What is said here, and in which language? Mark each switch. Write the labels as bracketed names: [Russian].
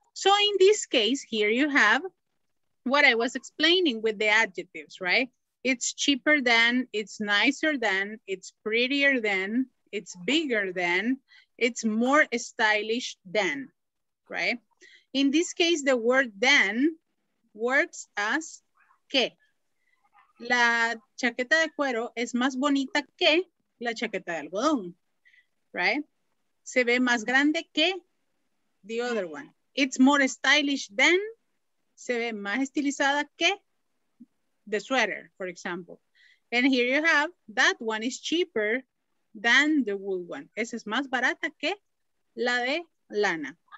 [English] So in this case, here you have what I was explaining with the adjectives, right? It's cheaper than, it's nicer than, it's prettier than, it's bigger than, it's more stylish than, right? In this case, the word than works as que. [Spanish] La chaqueta de cuero es más bonita que la chaqueta de algodón, right? Se ve más grande que [English] the other one. It's more stylish than, [Spanish] se ve más estilizada que [English] the sweater, for example. And here you have, that one is cheaper than the wool one. [Spanish] Esa es más barata que la de lana.